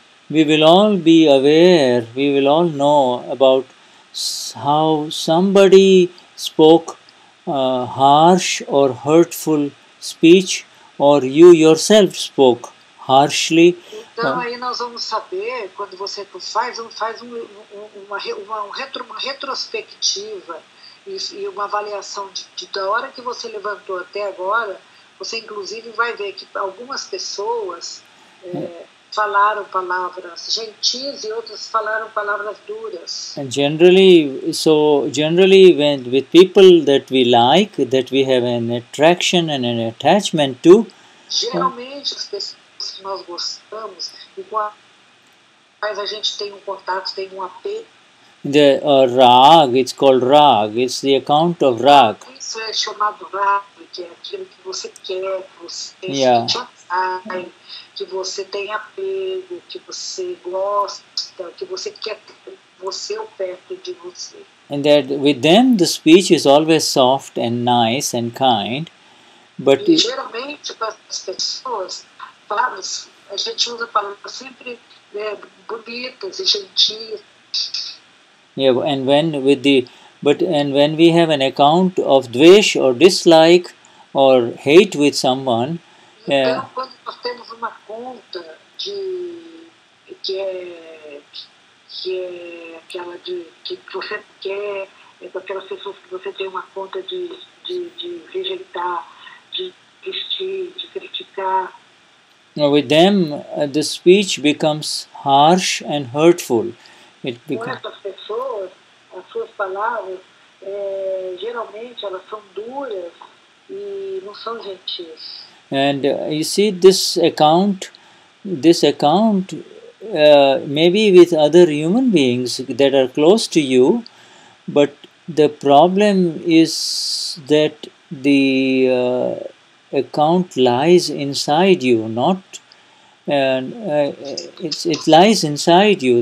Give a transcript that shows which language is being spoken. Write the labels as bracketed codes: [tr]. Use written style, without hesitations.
[en] we will all be aware, we will all know about how somebody spoke harsh or hurtful speech, or you yourself spoke harshly. [pt] Então, aí nós vamos saber, quando você faz uma retrospectiva e uma avaliação de da hora que você levantou até agora, você inclusive vai ver que algumas pessoas falaram palavras gentis e outras falaram palavras duras. [en] And generally, when with people that we like, that we have an attraction and an attachment to, [pt] geralmente as pessoas que nós gostamos e com as quais a gente tem um contato, tem um apego. [en] The rag, it's called rag. It's the account of rag. [pt] Isso é chamado rag, que é aquilo que você quer, que você atrai, que você tem apego, que você gosta, que você quer ter você ou perto de você. [en] And that with them the speech is always soft and nice and kind. But [pt] e geralmente para as pessoas, palavras, a gente usa palavras sempre bonitas e gentis. [en] Yeah, and when with the but and when we have an account of dvesh or dislike or hate with someone, [pt] então, quando nós temos uma conta de que é aquela de que você quer, é daquelas pessoas que você tem uma conta de rejeitar, de desistir, de criticar. [en] Now with them, the speech becomes harsh and hurtful. It becomes... [pt] Com essas pessoas, as suas palavras, geralmente elas são duras e não são gentis. [en] And you see this account, maybe with other human beings that are close to you, but the problem is that the account lies inside you, it lies inside you.